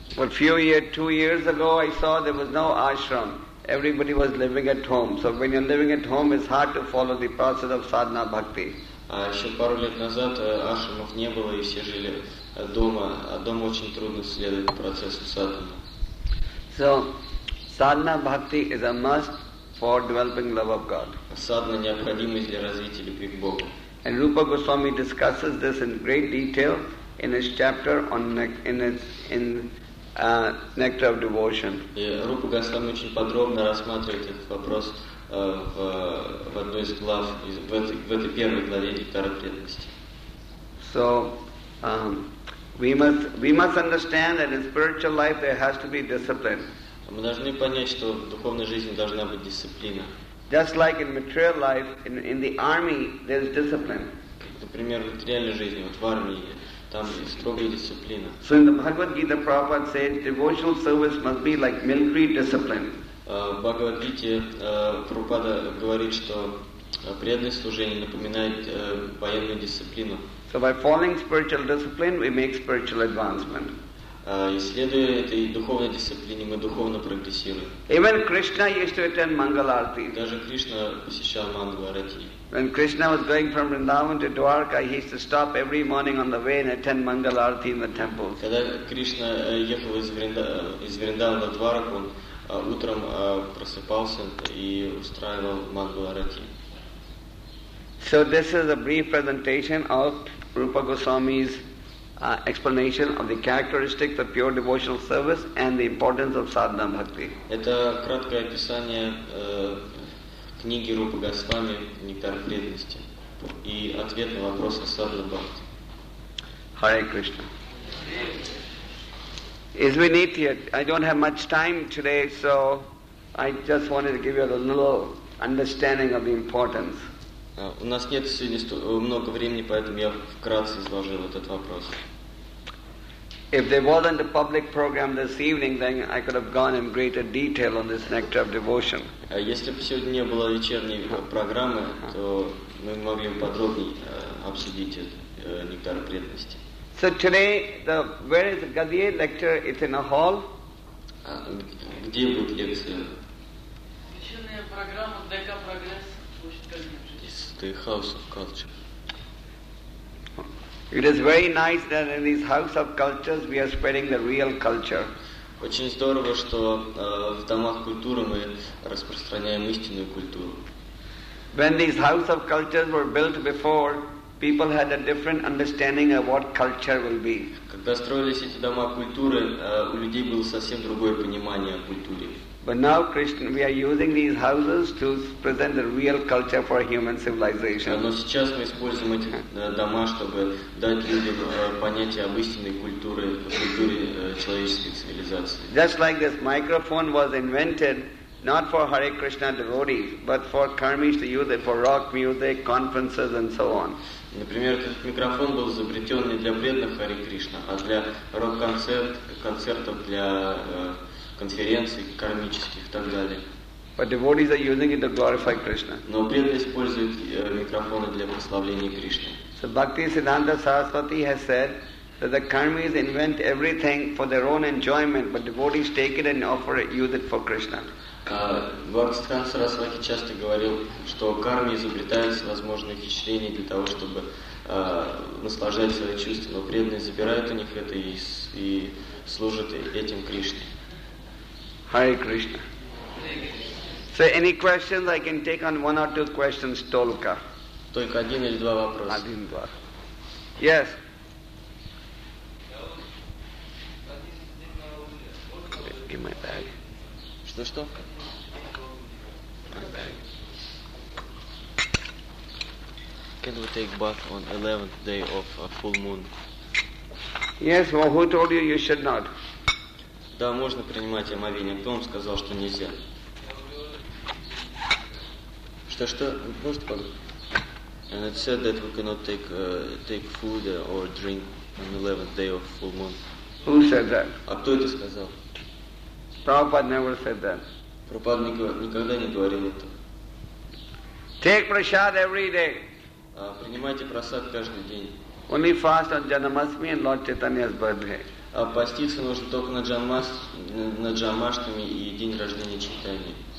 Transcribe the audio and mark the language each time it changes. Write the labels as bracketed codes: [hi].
[en] But two years ago, I saw there was no ashram. Everybody was living at home. So when you're living at home, it's hard to follow the process of sadhana bhakti. [ru] А еще пару лет назад ашрамов не было, и все жили дома, а дома очень трудно следовать процессу садхана. [en] So, sadhana bhakti is a must for developing love of God. [ru] Садхана необходима для развития любви к Богу. [en] And Rupa Goswami discusses this in great detail in his chapter on Nectar of Devotion. [ru] И Рупа Госвами очень подробно рассматривает этот вопрос в одной из глав, в этой первой главе Нектара преданности. [en] So, We must understand that in spiritual life there has to be discipline. [ru] Мы должны понять, что в духовной жизни должна быть дисциплина. [en] Just like in material life, in the army there is discipline. [ru] Например, в материальной жизни, вот в армии, там строгая дисциплина. [en] So in the Bhagavad Gita, Prabhupada said, devotional service must be like military discipline. [ru] В Бхагавад Гите Прабхупада говорит, что преданное служение напоминает военную дисциплину. [en] So by following spiritual discipline, we make spiritual advancement. [ru] Исследуя этой духовной дисциплине, мы духовно прогрессируем. [en] Even Krishna used to attend Mangal Arati. [ru] Даже Кришна посещал Мангал Арати. [en] When Krishna was going from Vrindavan to Dwarka, he used to stop every morning on the way and attend Mangal Arati in the temple. [ru] Когда Кришна ехал из Вриндавана до Дварак, он утром просыпался и устраивал Мангал Арати. [en] So this is a brief presentation of Rupa Goswami's explanation of the characteristics of pure devotional service and the importance of sadhana bhakti. [ru] Это краткое описание книги Рупы Госвами «Нектар преданности» и ответ на вопрос о садхана бхакти. [en] Hare Krishna. As we need it, I don't have much time today, so I just wanted to give you a little understanding of the importance. [ru] У нас нет сегодня много времени, поэтому я вкратце изложил этот вопрос. [en] If there wasn't a public program this evening, then I could have gone in greater detail on this nectar of devotion. [ru] Если бы сегодня не было вечерней программы, то мы могли бы подробнее обсудить нектар преданности. [en] So today, where is the Gaudiya lecture? It's in a hall. [ru] Где будет лекция? Вечерняя программа ДК Прогресс. [en] The House of Culture. It is very nice that in these House of Cultures we are spreading the real culture. [ru] Очень здорово, что в домах культуры мы распространяем истинную культуру. [en] When these House of Cultures were built before, people had a different understanding of what culture will be. [ru] Когда строились эти дома культуры, у людей было совсем другое понимание о культуре. [en] But now, Krishna, we are using these houses to present the real culture for human civilization. [ru] Но сейчас мы используем эти дома, чтобы дать людям понятие об истинной культуре, культуре человеческой цивилизации. [en] Just like this microphone was invented not for Hare Krishna devotees, but for karmis to use it for rock music, conferences, and so on. [ru] Например, этот микрофон был изобретен не для преданных Харе Кришна, а для рок-концертов, для конференций кармических и так далее. [en] But devotees are using it to glorify Krishna. [ru] Но преданные используют микрофоны для прославления Кришны. [en] So Bhakti Siddhanta Saraswati has said that the karmis invent everything for their own enjoyment, but devotees take it and offer it, use it for Krishna. [ru] Бхактистхан Сарасвати часто говорил, что карми изобретают всевозможные впечатления для того, чтобы наслаждать свои чувства, но преданные забирают у них это и служат этим Кришне. [en] Hare Krishna. So any questions, I can take on one or two questions, Tolka. [ru] Только один или два вопроса. Один-два. [en] Yes. Give my bag. [ru] Что-что? [en] Can we take bath on 11th day of a full moon? Yes, well, who told you you should not? [ru] Да, можно принимать омовение. Кто вам сказал, что нельзя? Что-что? Может, он? [en] And it said that we cannot take take food or drink on 11th day of full moon. Who said that? [ru] А кто это сказал? [en] Prabhupada never said that. [ru] Прабхупада никогда не говорил это. [en] Take prasad every day. [ru] Принимайте просад каждый день. [en] Only fast on Janmashtami and Lord Chaitanya's birthday. [ru] Поститься нужно только на Джанмаштами и день рождения Чайтаньи.